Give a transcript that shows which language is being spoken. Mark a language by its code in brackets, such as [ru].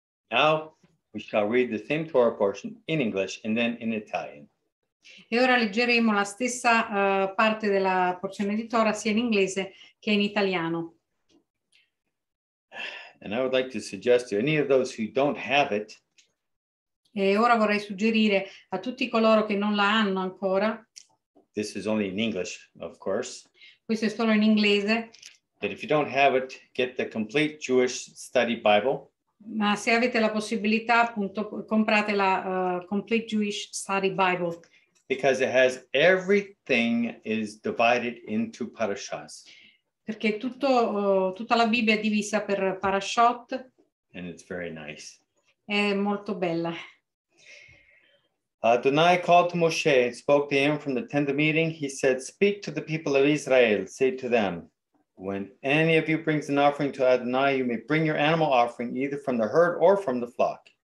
[en] Now we shall read the same Torah portion in English and then in Italian. [it] E ora leggeremo la stessa parte della porzione di Torah sia in inglese che in italiano. [en] And I would like to suggest to any of those who don't have it. [it] E ora vorrei suggerire a tutti coloro che non la hanno ancora. [en] This is only in English, of course. [it] Questo è solo in inglese. [en] But if you don't have it, get the complete Jewish study Bible. [it] Ma se avete la possibilità, appunto, comprate la Complete Jewish Study Bible. [en] Because it has everything is divided into parashas. [it] Perché tutto, tutta la Bibbia è divisa per parashot. [en] And it's very nice. [it] È molto bella. [en] Adonai called to Moshe and spoke to him from the tent of meeting. He said, speak to the people of Israel, say to them, when any of you brings an offering to Adonai, you may bring your animal offering either from the herd or from the flock.